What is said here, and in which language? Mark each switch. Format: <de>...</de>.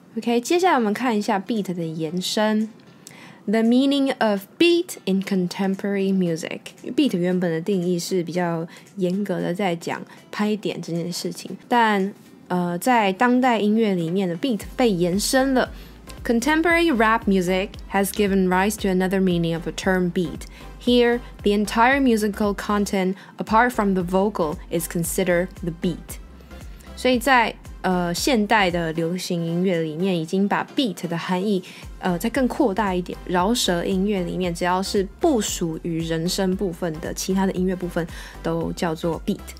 <zh>OK， 接下来我们看一下 beat 的延伸，</zh> <en>The meaning of beat in contemporary music。</en> <zh>beat 原本的定义是比较严格的在讲拍点这件事情，但在当代音乐里面的 beat 被延伸了。</zh> <en>Contemporary rap music has given rise to another meaning of the term beat. Here, the entire musical content, apart from the vocal, is considered the beat.</en> <zh>所以在现代的流行音乐里面，已经把 beat 的含义再更扩大一点。饶舌音乐里面，只要是不属于人声部分的其他的音乐部分，都叫做 beat。</zh>